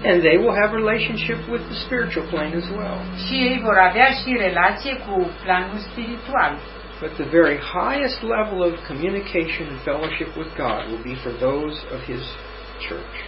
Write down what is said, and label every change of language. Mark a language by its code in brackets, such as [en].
[en] And they will have relationship with the spiritual plane as well. [ro] Și ei vor avea și relație cu planul spiritual. [en] But the very highest level of communication and fellowship with God will be for those of His church.